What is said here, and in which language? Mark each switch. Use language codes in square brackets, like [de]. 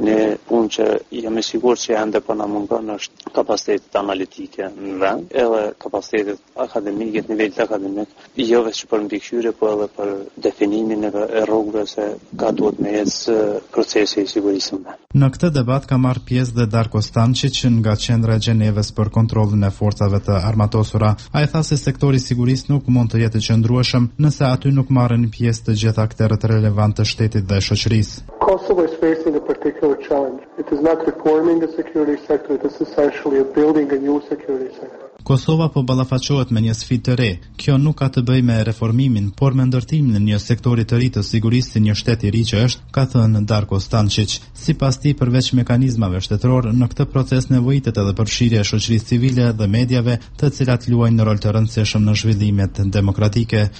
[sq] Ne punë që jam i sigurt se ende po na mungon është kapaciteti analitik në vend, edhe kapaciteti akademik, nivel akademik, jo vetëm për mbikëqyrje, po edhe për definimin e rrugëve se ka duhet me jetë procesi i sigurisë. Në këtë debat ka marrë pjesë dhe Darko Stančić nga Qendra e Gjenevës për kontrollin e forcave të armatosura. Ai tha se sektori i sigurisë nuk mund të jetë i qëndrueshëm nëse aty nuk marrin pjesë të gjithë aktorët relevantë të shtetit dhe shoqërisë. [en] Kosovo is facing a particular challenge. It is not reforming the security sector, it is essentially building a new security sector. [sq] Kosova po ballafaqohet me një sfidë të re. Kjo nuk ka të bëjë me reformimin, por me ndërtimin e një sektori të ri të sigurisë si një shtet i ri që është, ka thënë Darko Stančić. Sipas tij, përveç mekanizmave shtetërore, në këtë proces nevojitet edhe përfshirja e shoqërisë civile dhe mediave, të cilat luajnë rol të rëndësishëm në zhvillimet demokratike.